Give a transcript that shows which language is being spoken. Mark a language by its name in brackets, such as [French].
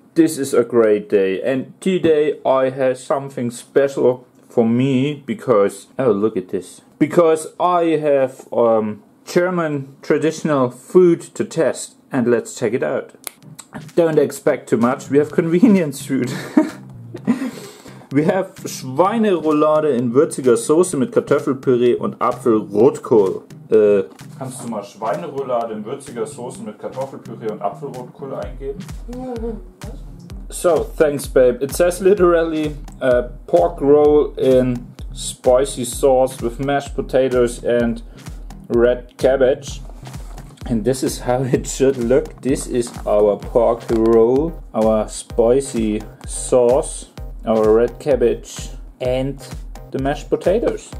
[English] This is a great day and today I have something special for me because, oh look at this, because I have German traditional food to test and let's check it out. Don't expect too much, we have convenience food. We have [German] Schweineroulade in Würziger Soße mit Kartoffelpüree und Apfelrotkohl. Kannst du mal Schweineroulade in Würziger Soße mit Kartoffelpüree und Apfelrotkohl eingeben? [English] So, thanks babe. It says literally pork roll in spicy sauce with mashed potatoes and red cabbage. And this is how it should look. This is our pork roll, our spicy sauce, our red cabbage and the mashed potatoes.